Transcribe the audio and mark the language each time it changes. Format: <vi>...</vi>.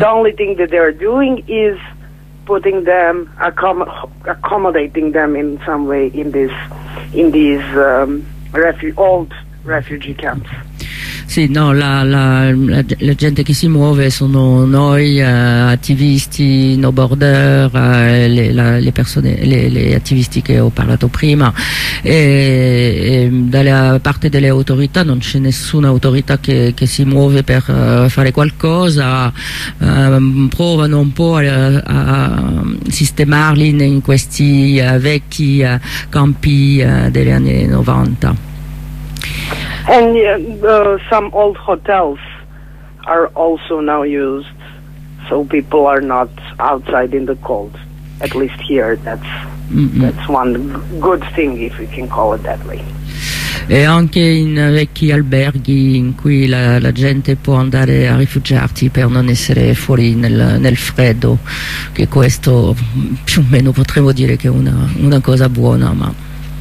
<en>The only thing that they're doing is putting them, accommodating them in some way in these old refugee camps.</en> <it>Sì, no, la gente che si muove sono noi, attivisti, no border, le persone, le attivisti che ho parlato prima, e dalla parte delle autorità non c'è nessuna autorità che si muove per fare qualcosa, provano un po' a sistemarli in questi vecchi campi degli anni 90.</it> <en>And some old hotels are also now used, so people are not outside in the cold, at least here. That's that's one good thing, if we can call it that way.</en> <it>E anche in vecchi alberghi in cui la gente può andare a rifugiarsi per non essere fuori nel freddo, che questo più o meno potremmo dire che è una cosa buona, ma...</it>